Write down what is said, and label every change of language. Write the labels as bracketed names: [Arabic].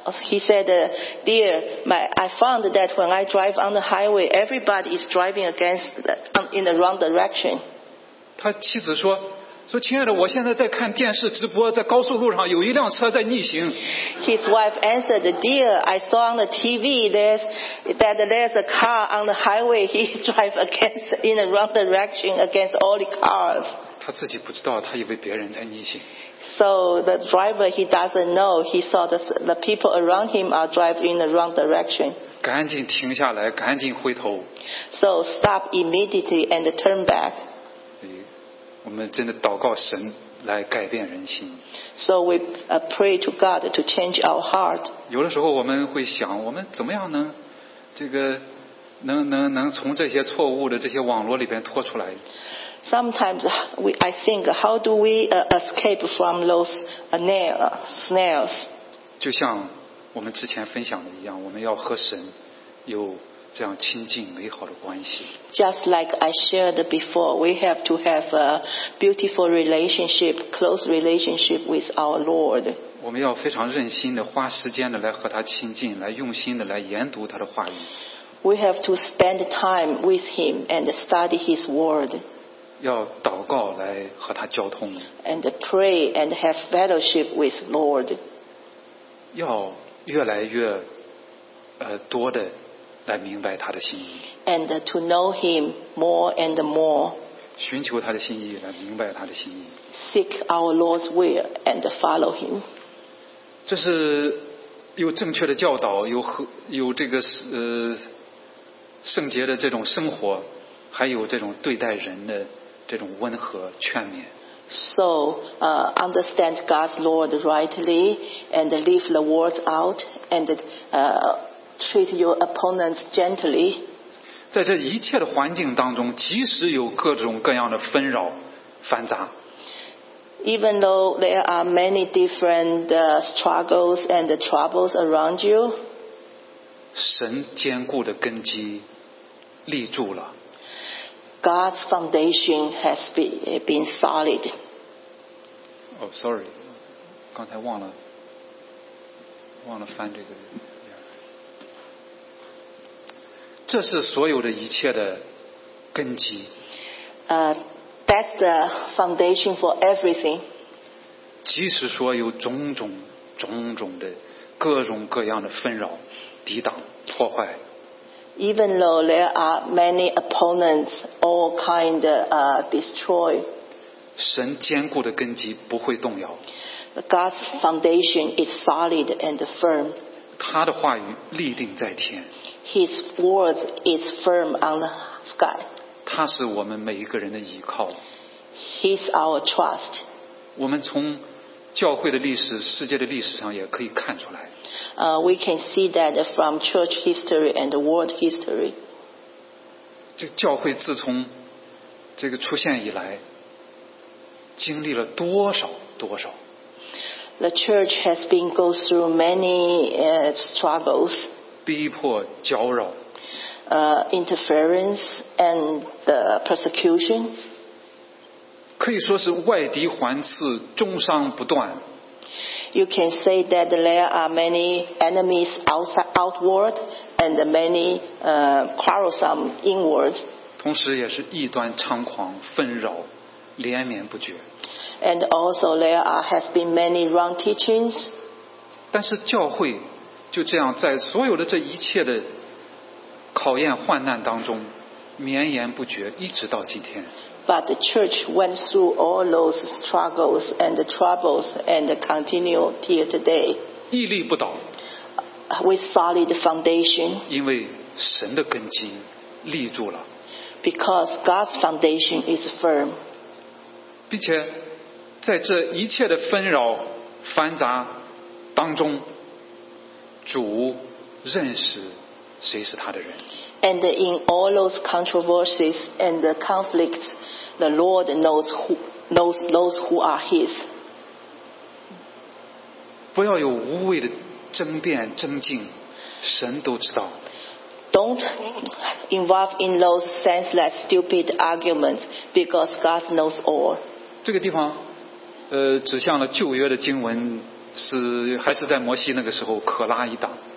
[English] He said, "Dear, I found that when I drive on the highway, everybody is driving against in the wrong direction." [Chinese] 他妻子说。说亲爱的，我现在在看电视直播，在高速路上有一辆车在逆行。 [English] His wife answered, "Dear, I saw on the TV there's a car on the highway. He drive against in the wrong direction against all the cars." [Chinese] 他自己不知道，他以为别人在逆行。 [English] So the driver he doesn't know. He saw the people around him are driving in the wrong direction. [Chinese] 赶紧停下来，赶紧回头。 [English] So stop immediately and turn back. [Chinese] 我们真的祷告神来改变人心。 [English] So we pray to God to change our heart. [Chinese] 有的时候我们会想，我们怎么样能这个能从这些错误的这些网络里边脱出来 [English] ？Sometimes I think, how do we escape from those snares? [Chinese] 就像我们之前分享的一样，我们要和神有这样亲近美好的关系。 [English] Just like I shared before, we have to have a beautiful relationship, close relationship with our Lord. [Chinese] 我们要非常认心的花时间的来和他亲近，来用心的来研读他的话语。 [English] We have to spend time with him and study his word. [Chinese] 要祷告来和他交通。 [English] And pray and have fellowship with Lord. [Chinese] 要越来越多的来明白他的心意。 [English] And to know him more and more. [Chinese] 寻求他的心意，来明白他的心意。 [English] Seek our Lord's will and follow him. [Chinese] 这是有正确的教导，有这个圣洁的这种生活，还有这种对待人的这种温和劝勉。 [English] So, understand God's Lord rightly and leave the words out and treat your opponents gently. [Chinese] 在这一切的环境当中，即使有各种各样的纷扰繁杂。 [English] Even though there are many different struggles and troubles around you, [Chinese] 神坚固的根基立住了。 [English] God's foundation has been solid. Oh, sorry. [Chinese] 刚才忘了翻这个。这是所有的一切的根基。 [English] That's the foundation for everything. [Chinese] 即使说有种种的各种各样的纷扰、抵挡、破坏。 [English] Even though there are many opponents, all kind destroy. [Chinese] 神坚固的根基不会动摇。 [English] God's foundation is solid and firm. [Chinese] 他的话语立定在天。 [English] His word is firm on the sky. [Chinese] 他是我们每一个人的依靠。 [English] He's our trust. [Chinese] 我们从教会的历史、世界的历史上也可以看出来。 [English] We can see that from church history and world history. [Chinese] 这个教会自从这个出现以来，经历了多少多少。 [English] The church has been go through many struggles. [Chinese] 逼迫、搅扰。 [English] Interference and persecution. [Chinese] 可以说是外敌环伺，重伤不断。 [English] You can say that there are many enemies outward and many quarrelsome inward. [Chinese] 同时也是异端猖狂，纷扰连绵不绝。 [English] And also there has been many wrong teachings. [Chinese] 但是教会就这样在所有的这一切的考验患难当中绵延不绝，一直到今天。 [English] But the church went through all those struggles and troubles and continue till today. [Chinese] 屹立不倒。 [English] With solid foundation. [Chinese] 因为神的根基立住了。 [English] Because God's foundation is firm. [Chinese] 并且在这一切的纷扰繁杂当中，主认识谁是他的人。 [English] And in all those controversies and the conflicts, the Lord knows those who are His. [Chinese] 不要有无谓的争辩争竞，神都知道。 [English] Don't involve in those senseless, stupid arguments because God knows all. [Chinese] 这个地方，指向了旧约的经文，是还是在摩西那个时候，可拉一党。